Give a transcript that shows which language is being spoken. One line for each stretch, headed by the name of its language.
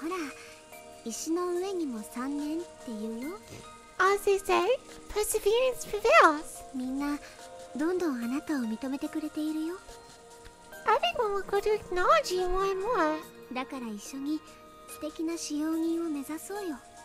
Japanese: ほら、石の上にも3年って言うよ.
English: As they say, perseverance prevails.
Japanese: みんなどんどんあなたを認めてくれているよ.
English: Everyone will go to acknowledge you more and more.
Japanese: だから一緒に素敵な使用人を目指そうよ.